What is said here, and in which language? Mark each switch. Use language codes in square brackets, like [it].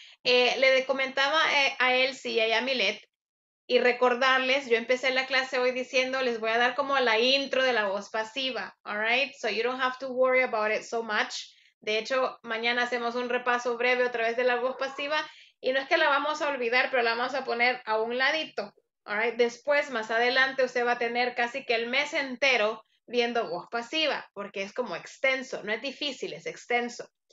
[es] Le comentaba a Elsie y a Milet y recordarles, yo empecé la clase hoy diciendo, les voy a dar como la intro de la voz pasiva, all right? [en] So you don't have to worry about it so much. [es] De hecho, mañana hacemos un repaso breve otra vez de la voz pasiva y no es que la vamos a olvidar, pero la vamos a poner a un ladito, all right? Después, más adelante, usted va a tener casi que el mes entero viendo voz pasiva porque es como extenso, no es difícil, es extenso.